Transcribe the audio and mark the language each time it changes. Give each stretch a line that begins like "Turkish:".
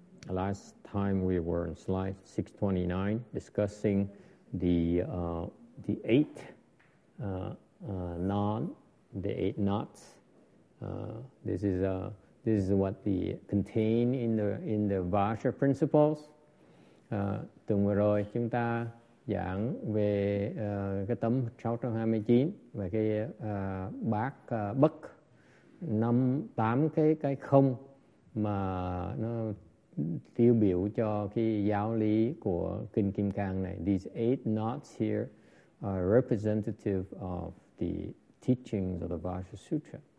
English: Last time we were on slide 629, discussing the eight knots. This is what the contained in the Vajra principles.
Vietnamese: Từng vừa rồi chúng ta giảng về cái tấm 629 và cái bát bất năm tám cái không mà nó tiêu biểu cho cái giáo lý của kinh Kim Cang này.
English: These eight knots here are representative of the teachings of the Vajra Sutra.